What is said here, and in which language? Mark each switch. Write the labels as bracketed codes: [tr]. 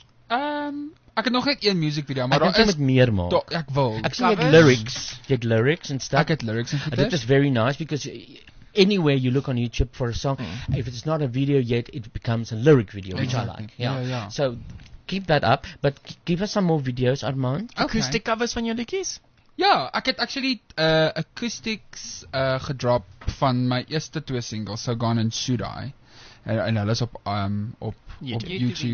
[af] Ek het nog net een music video, maar daar is... Ek wil meer maak. Ek wil. Ek sien het lyrics. Jy het lyrics en stuff. Ek het lyrics en [en] stuff. This is very nice, because anywhere you look on YouTube for a song, if it's not a video yet, it becomes a lyric video, which I like. Yeah. So, keep that up, but give us some more videos, Armand. [af] Okay. Acoustic covers van jou liedjies? Ja, ek het actually acoustics gedrop van my eerste twee singles, So Gone and Should I, en hulle is op YouTube.